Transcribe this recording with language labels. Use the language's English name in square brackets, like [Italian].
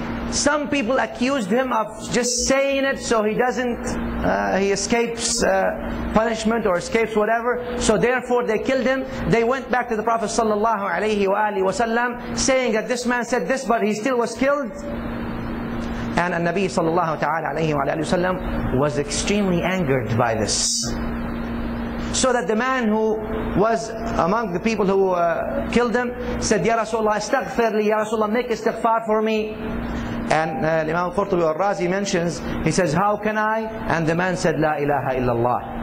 [English] Some people accused him of just saying it so he doesn't, he escapes punishment or escapes whatever. So therefore they killed him. They went back to the Prophet sallallahu alayhi wa alihi wa sallam saying that this man said this but he still was killed. [Arabic] And النبي صلى الله عليه وعلى آله وسلم [English] was extremely angered by this. So that the man who was among the people who killed him said, Ya Rasulullah, [Arabic] استغفر لي, [English] Ya Rasulullah, make استغفار for me. And Imam al-Qurtubi al-Razi mentions, he says, how can I? And the man said, [Arabic] لا إله إلا الله.